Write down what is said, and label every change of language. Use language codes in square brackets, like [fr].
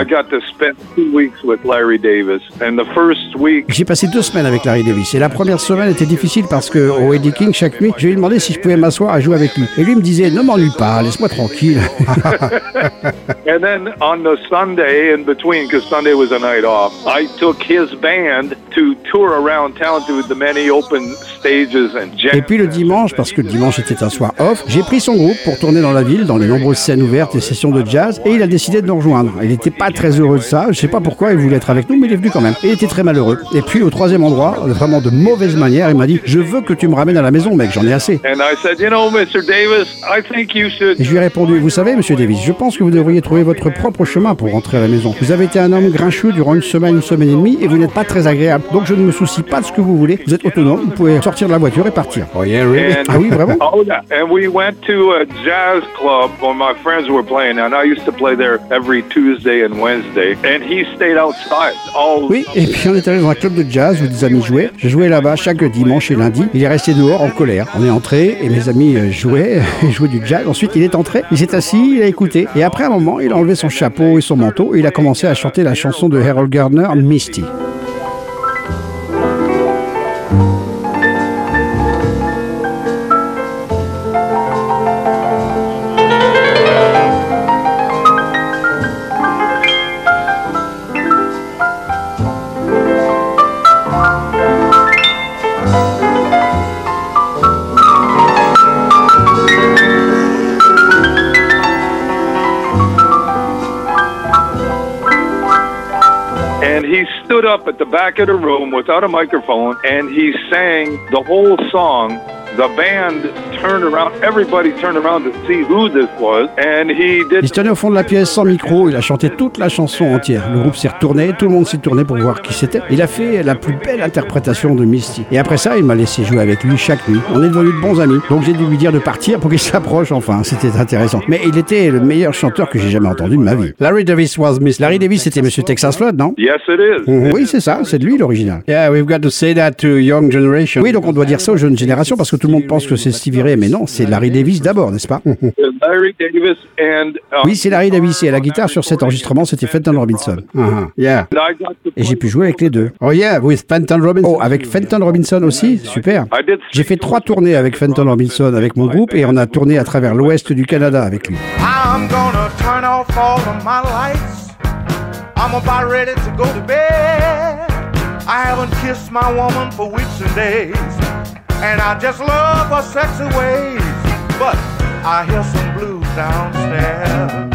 [en] I got to spend 2 weeks with Larry Davis. And the first week... [fr] J'ai passé 2 semaines avec Larry Davis. Et la première semaine était difficile parce que au Eddie King, chaque nuit, je lui demandais si je pouvais m'asseoir à jouer avec lui. Et lui me disait, ne m'ennuie pas, laisse-moi tranquille. [en] And then on the Sunday, in between, because Sunday was a night off, I took his band to tour around town to the many open stages and jam. [fr] Et puis le dimanche, parce que le dimanche était un soir off, j'ai pris son groupe pour tourner dans la ville, dans les nombreuses scènes ouvertes et sessions de jazz, et il a décidé de nous rejoindre. Il n'était pas très heureux de ça, je ne sais pas pourquoi il voulait être avec nous, mais il est venu quand même. Il était très malheureux. Et puis au troisième endroit, vraiment de mauvaise manière, il m'a dit, je veux que tu me ramènes à la maison, mec, j'en ai assez. Et je lui ai répondu, vous savez, Monsieur Davis, je pense que vous devriez trouver votre propre chemin pour rentrer à la maison. Vous avez été un homme grincheux durant une semaine et demie, et vous n'êtes pas très agréable. Donc je ne me soucie pas de ce que vous voulez, vous êtes autonome, vous pouvez sortir de la voiture et partir. [en] Oh yeah, really? [fr] Ah oui, vraiment? [en] And we went to a jazz club when my friends were playing, and I used to play there every Tuesday and Wednesday, and he stayed outside all... [fr] Oui, et puis on est allé dans un club de jazz où des amis jouaient. Je jouais là-bas chaque dimanche et lundi. Il est resté dehors en colère. On est entré et mes amis jouaient et jouaient du jazz. Ensuite, il est entré, il s'est assis, il a écouté, et après un moment, il a enlevé son chapeau et son manteau et il a commencé à chanter la chanson de Harold Gardner, Misty. [en] Up at the back of the room without a microphone, and he sang the whole song. The band turned around, everybody turned around to see who this was, and he did. [fr] Il se tenait au fond de la pièce sans micro, il a chanté toute la chanson entière. Le groupe s'est retourné, tout le monde s'est tourné pour voir qui c'était. Il a fait la plus belle interprétation de Misty. Et après ça, il m'a laissé jouer avec lui chaque nuit. On est devenus de bons amis, donc j'ai dû lui dire de partir pour qu'il s'approche enfin. C'était intéressant. Mais il était le meilleur chanteur que j'ai jamais entendu de ma vie. [en] Larry Davis was Miss. [fr] Larry Davis, c'était Monsieur Texas Flood, non? [en] Yes, it is. [fr] Oui, c'est ça, c'est lui l'original. [en] Yeah, we've got to say that to young generation. [fr] Oui, donc on doit dire ça aux jeunes générations parce que tout le monde pense que c'est Stevie Ray, mais non, c'est Larry Davis d'abord, n'est-ce pas? [en] Larry Davis and, [fr] oui, c'est Larry Davis, et la guitare sur cet enregistrement, c'était Fenton Robinson. [en] Uh-huh. Yeah. [fr] Et j'ai pu jouer avec les deux. [en] Oh yeah, with Fenton Robinson. [fr] Oh, avec Fenton Robinson aussi, super. J'ai fait 3 tournées avec Fenton Robinson, avec mon groupe, et on a tourné à travers l'ouest du Canada avec lui. [en] I'm gonna turn off all of my lights. I'm about ready to go to bed. I haven't kissed my woman for weeks and days. And I just love her sexy ways. But I hear some blues downstairs.